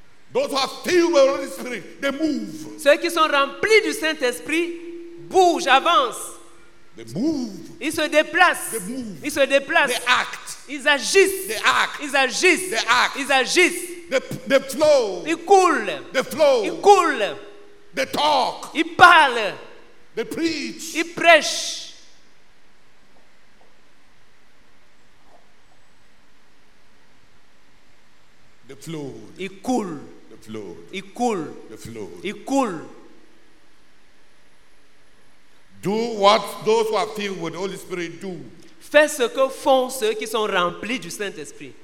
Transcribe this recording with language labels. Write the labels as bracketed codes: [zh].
[en] Those who are filled with the Holy Spirit, they move. [fr] Ceux qui sont remplis du Saint-Esprit bougent, avancent. [en] They move. [fr] Ils se déplacent. [en] They move. [fr] Ils se déplacent. [en] They act. [fr] Ils agissent. [en] They act. [fr] Ils agissent. [en] They act. [fr] Ils agissent. [en] They flow. [fr] Ils coulent. [en] They flow. [fr] Ils coulent. [en] They talk. [fr] Ils parlent. [en] They preach. [fr] Ils prêchent. [en] The flood. [fr] Il coule. [en] The flood. [fr] Il coule. [en] The flood. [fr] Il coule. [en] Do what those who are filled with the Holy Spirit do. [fr] Fais ce que font ceux qui sont remplis du Saint-Esprit.